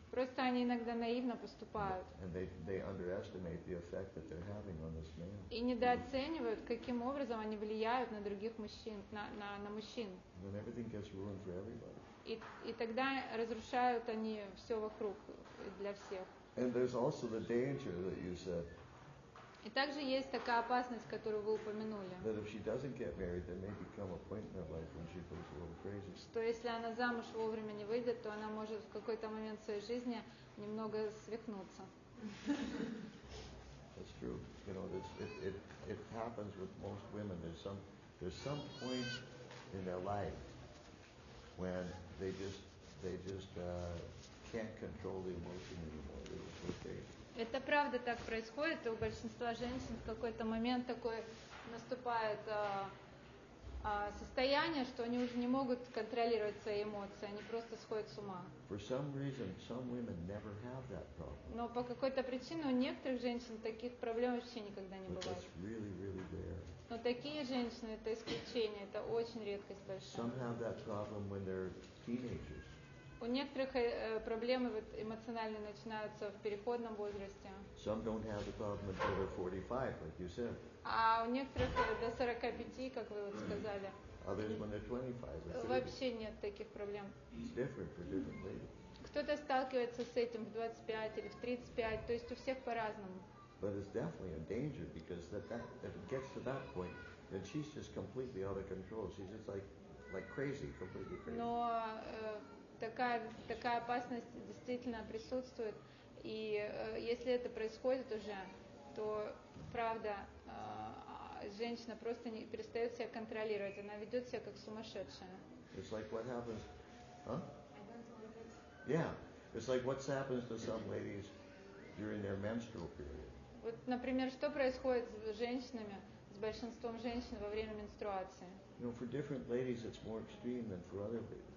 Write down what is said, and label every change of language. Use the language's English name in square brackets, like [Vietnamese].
[Russian] Просто они иногда наивно поступают. [English] And they underestimate the effect that they're having on this man. [Russian] И недооценивают, каким образом они влияют на других мужчин, на мужчин. [English] And everything gets ruined for everybody. [Russian] И тогда разрушают они все вокруг для всех. [English] And there's also the danger that you said. [Russian] И также есть такая опасность, которую вы упомянули. [English] That if she doesn't get married, there may become a point in her life when she goes a little crazy. [Russian] Что если она замуж вовремя не выйдет, то она может в какой-то момент своей жизни немного свихнуться. [English] That's true. You know, it happens with most women. There's some point in their life when they just can't control the emotion anymore. They just go crazy. [Russian] Это правда так происходит, и у большинства женщин в какой-то момент такое наступает состояние, что они уже не могут контролировать свои эмоции, они просто сходят с ума. [English] For some reason, some women never have that problem. [Russian] Но по какой-то причине у некоторых женщин таких проблем вообще никогда не бывает. [English] But that's really, really rare. [Russian] Но такие женщины – это исключение, это очень редкость большая. [English] Some have that problem when they're teenagers. [Russian] У некоторых проблемы вот эмоциональные начинаются в переходном возрасте. [English] Some don't have the problem until they're 45, like you said. [Russian] А у некоторых до 45, как вы вот сказали. [English] Others when they're 25 or 30. [Russian] Вообще нет таких проблем. [English] It's different for different ladies. [Russian] Кто-то сталкивается с этим в 25 или в 35, то есть у всех по-разному. [English] But it's definitely a danger because if it gets to that point, then she's just completely out of control. She's just like crazy, completely crazy. [Russian] Но Такая опасность действительно присутствует, и если это происходит уже, то правда женщина просто не перестает себя контролировать, она ведет себя как сумасшедшая. [English] It's like what happens, huh? Yeah, it's like what happens to some ladies during their menstrual period. [Russian] Вот, например, что происходит с женщинами, с большинством женщин во время менструации? [English] You know, for different ladies, it's more extreme than for other ladies.